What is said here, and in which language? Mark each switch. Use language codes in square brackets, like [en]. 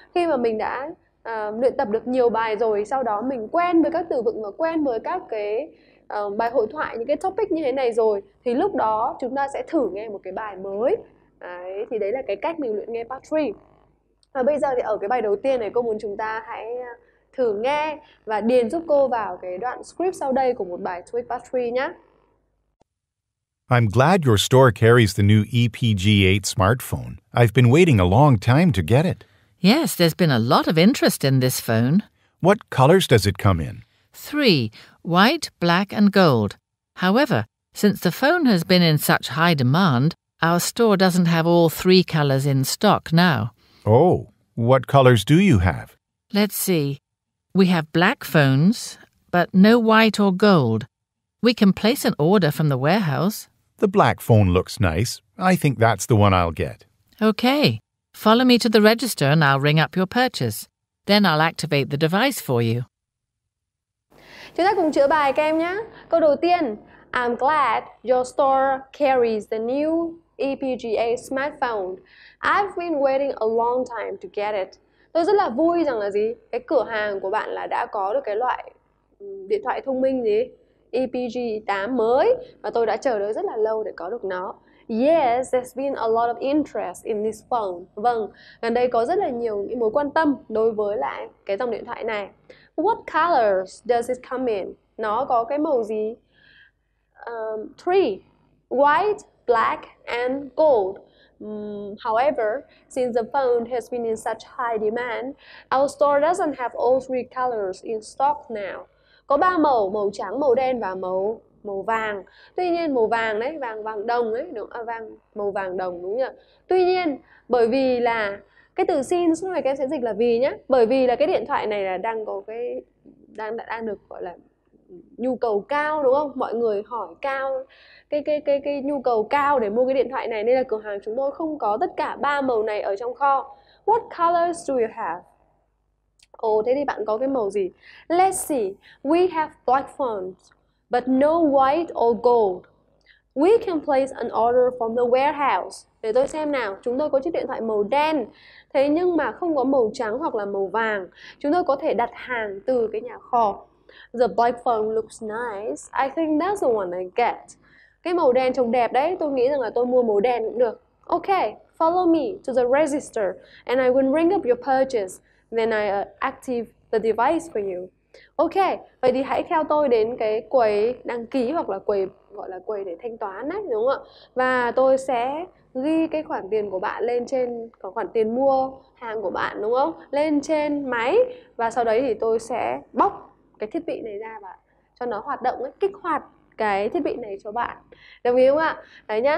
[vi] Khi mà mình đã luyện tập được nhiều bài rồi, sau đó mình quen với các từ vựng và quen với các cái bài hội thoại, những cái topic như thế này rồi, thì lúc đó chúng ta sẽ thử nghe một cái bài mới. Đấy, thì đấy là cái cách mình luyện nghe Part 3. Và bây giờ thì ở cái bài đầu tiên này, cô muốn chúng ta hãy thử nghe và điền giúp cô vào cái đoạn script sau đây của một bài TOEIC Part 3 nhé. [en] I'm glad your store carries the new EPG8 smartphone. I've been waiting a long time to get it. Yes, there's been a lot of interest in this phone. What colors does it come in? 3, white, black, and gold. However, since the phone has been in such high demand, our store doesn't have all 3 colors in stock now. Oh, what colors do you have? Let's see. We have black phones, but no white or gold. We can place an order from the warehouse. The black phone looks nice. I think that's the one I'll get. Okay. Follow me to the register and I'll ring up your purchase. Then I'll activate the device for you. [vi] Chúng ta cùng chữa bài các em nhé. Câu đầu tiên, [en] I'm glad your store carries the new EPGA smartphone. I've been waiting a long time to get it. [vi] Tôi rất là vui rằng là gì? Cái cửa hàng của bạn là đã có được cái loại điện thoại thông minh gì? EPG8 mới, và tôi đã chờ đợi rất là lâu để có được nó. [en] Yes, there's been a lot of interest in this phone. [vi] Vâng, gần đây có rất là nhiều những mối quan tâm đối với lại cái dòng điện thoại này. [en] What colors does it come in? [vi] Nó có cái màu gì? [en] 3, white, black, and gold. However, since the phone has been in such high demand, our store doesn't have all 3 colors in stock now. [vi] Có 3 màu, màu trắng, màu đen và màu vàng. Tuy nhiên màu vàng đấy, vàng đồng ấy, đúng không? À, vàng màu vàng đồng đúng không nhỉ? Tuy nhiên bởi vì là cái từ since này các em sẽ dịch là vì nhá. Bởi vì là cái điện thoại này là đang có cái đang được gọi là nhu cầu cao đúng không? Mọi người hỏi cao cái nhu cầu cao để mua cái điện thoại này, nên là cửa hàng chúng tôi không có tất cả 3 màu này ở trong kho. [en] What colors do you have? [vi] Ồ, thế thì bạn có cái màu gì? [en] Let's see. We have black phones, but no white or gold. We can place an order from the warehouse. [vi] Để tôi xem nào. Chúng tôi có chiếc điện thoại màu đen, thế nhưng mà không có màu trắng hoặc là màu vàng. Chúng tôi có thể đặt hàng từ cái nhà kho. [en] The black phone looks nice. I think that's the one I get. [vi] Cái màu đen trông đẹp đấy. Tôi nghĩ rằng là tôi mua màu đen cũng được. [en] Okay, follow me to the register and I will ring up your purchase. Then I active the device for you. [vi] Ok, vậy thì hãy theo tôi đến cái quầy đăng ký hoặc là quầy gọi là quầy để thanh toán đấy, đúng không ạ? Và tôi sẽ ghi cái khoản tiền của bạn lên trên, có khoản tiền mua hàng của bạn đúng không? Lên trên máy, và sau đấy thì tôi sẽ bóc cái thiết bị này ra và cho nó hoạt động, ấy, kích hoạt cái thiết bị này cho bạn. Đồng ý không ạ? Đấy nhá.